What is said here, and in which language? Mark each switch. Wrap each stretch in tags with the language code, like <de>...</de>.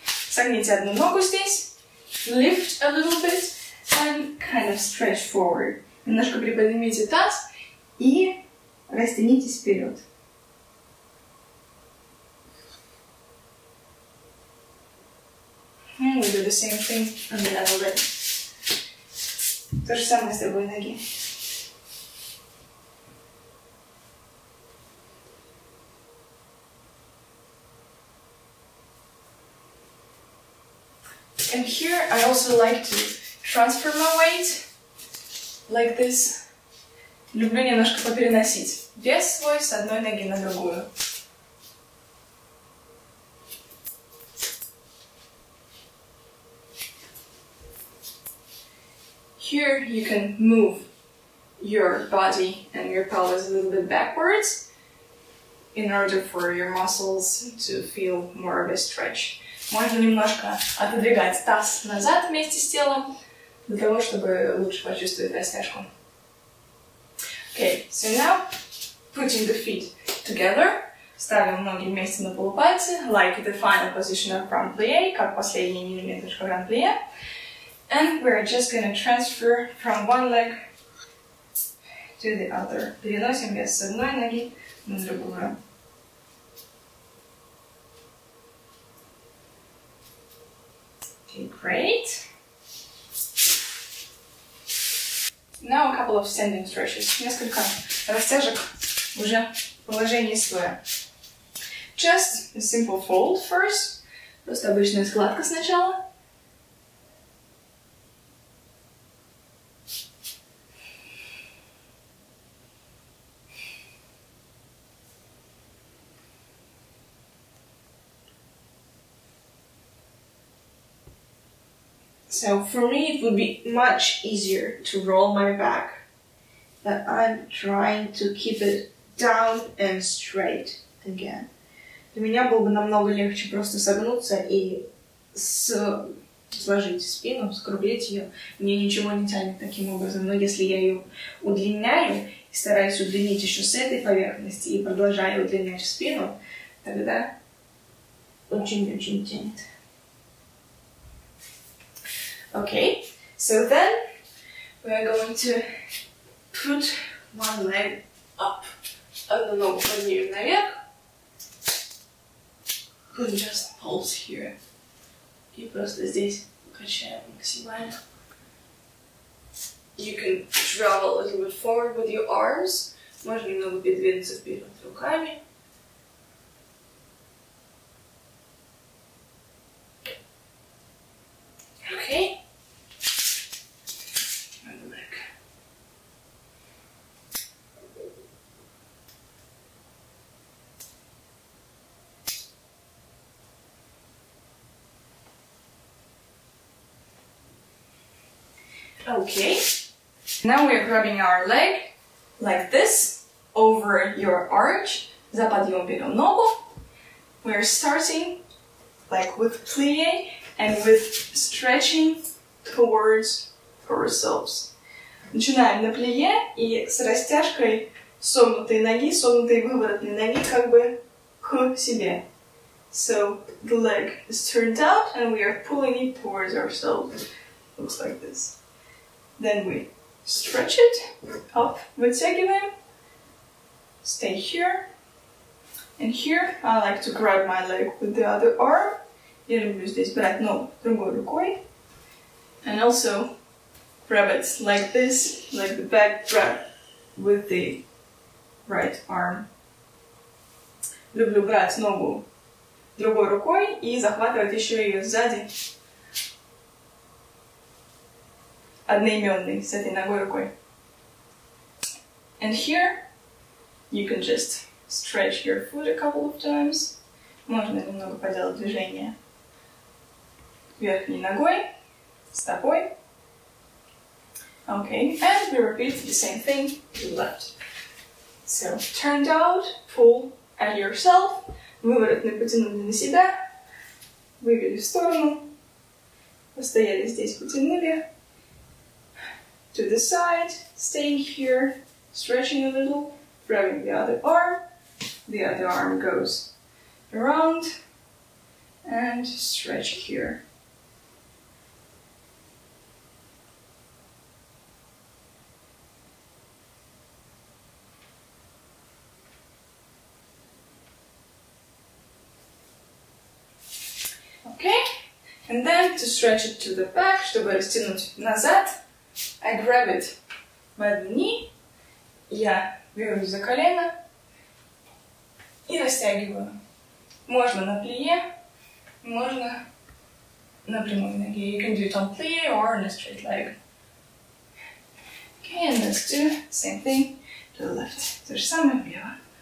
<ru>Согните одну ногу здесь.</ru> <en>Lift a little bit and kind of stretch forward.</en> <ru>Немножко приподнимите таз и растянитесь вперед.</ru> <en>And we do the same thing on the other leg.</en> <ru>То же самое с другой ноги.</ru> <en>And here I also like to transfer my weight like this.</en> <ru>Люблю немножко попереносить вес свой с одной ноги на другую.</ru> <en>Here you can move your body and your pelvis a little bit backwards in order for your muscles to feel more of a stretch.</en> <ru>Можно немножко отодвигать таз назад вместе с телом для того, чтобы лучше почувствовать растяжку.</ru> <en>Okay, so now putting the feet together,</en> <ru>ставим ноги вместе на полупальцы,</ru> <en>like the final position of front plie,</en> <ru>как последняя нижняя точка</ru> <en>front plie. And we're just gonna transfer from one leg to the other.</en> <ru>Переносим вес с одной ноги на другую.</ru> <en>Okay, great. Now a couple of standing stretches.</en> <ru>Несколько растяжек уже в положении стоя.</ru> <en>Just a simple fold first.</en> <ru>Просто обычная складка сначала.</ru> <en>So for me it would be much easier to roll my back, but I'm trying to keep it down and straight again.</en> <ru>Для меня было бы намного легче просто согнуться и сложить спину, скруглить ее. Мне ничего не тянет таким образом. Но если я ее удлиняю и стараюсь удлинить еще с этой поверхности и продолжаю удлинять спину, тогда очень-очень тянет.</ru> <en>Okay, so then we are going to put one leg up and the</en> <ru>ногу поднимем наверх.</ru> <en>And just pulse here.</en> <ru>И просто здесь качаем максимально.</ru> <en>You can travel a little bit forward with your arms.</en> <ru>Можно немного передвинуться вперед руками.</ru> <en>Okay. Okay, now we are grabbing our leg like this over your arch.</en> <ru>За подъем берем ногу.</ru> <en>We are starting like with plie and with stretching towards ourselves.</en> <ru>Начинаем на плие и с растяжкой согнутой ноги, согнутой выворотной ноги как бы к себе.</ru> <en>So the leg is turned out and we are pulling it towards ourselves. Looks like this. Then we stretch it up,</en> <ru>вытягиваем,</ru> <en>stay here, and here I like to grab my leg with the other arm,</en> <ru>я люблю здесь брать ногу другой рукой,</ru> <en>and also grab it like this, like the back grab with the right arm.</en> <ru>Люблю брать ногу другой рукой и захватывать еще ее сзади. Одноименный с этой ногой рукой.</ru> <en>And here you can just stretch your foot a couple of times.</en> <ru>Можно немного поделать движение верхней ногой, стопой.</ru> <en>Okay, and we repeat the same thing to the left. So turned out, pull at yourself,</en> <ru>выворотный потянули на себя, вывели в сторону, постояли здесь, потянули.</ru> <en>To the side, staying here, stretching a little, grabbing the other arm goes around, and stretch here. Okay, and then to stretch it to the back,</en> <ru>чтобы растянуть назад,</ru> <en>I grab it by the knee,</en> <ru>я берусь за колено и растягиваю. Можно на плие, можно на прямой ноге.</ru> <en>You can do it on plie or on a straight leg. Okay, and let's do same thing to the left.</en> <ru>То же самое влево.</ru>